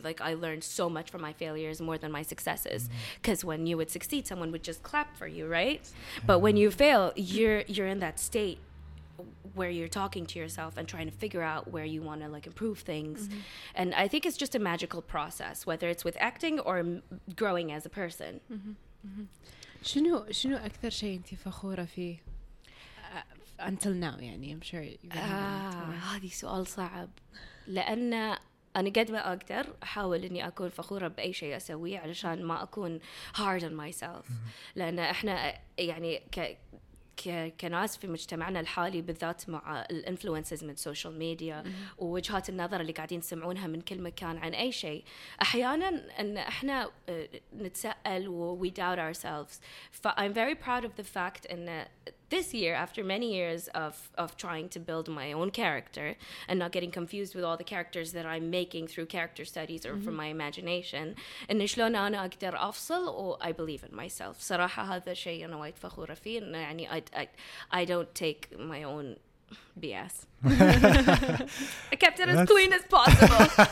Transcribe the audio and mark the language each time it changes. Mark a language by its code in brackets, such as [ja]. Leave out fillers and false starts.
[en] Like, I learned so much from my failures more than my successes. Because when you would succeed, someone would just clap for you, right? But when you fail, you're in that state where you're talking to yourself and trying to figure out where you want to like improve things. And I think it's just a magical process, whether it's with acting or growing as a person. [ar] شنو اكثر شيء انت فخوره فيه [en] until now؟ [ar] يعني [en] I'm sure [ar] هذه سؤال صعب، لان انا قد ما اقدر احاول اني اكون فخوره باي شيء اسويه علشان ما اكون [en] hard on myself. [ar] لان احنا يعني ك كناس في مجتمعنا الحالي بالذات مع الانفلونسرز من السوشيال ميديا ووجهات النظر اللي قاعدين يسمعونها من كل مكان عن اي شيء, احيانا ان احنا نتسائل و [en] we doubt ourselves. ف I'm very proud of the fact ان this year after many years of trying to build my own character and not getting confused with all the characters that I'm making through character studies or mm-hmm. from my imagination [ar] ان شلون انا اقدر افصل و [en] I believe in myself. [ar] صراحة هذا شيء انا وايد فخورة فيه, انه يعني [en] I don't take my own BS. I kept it as clean as possible.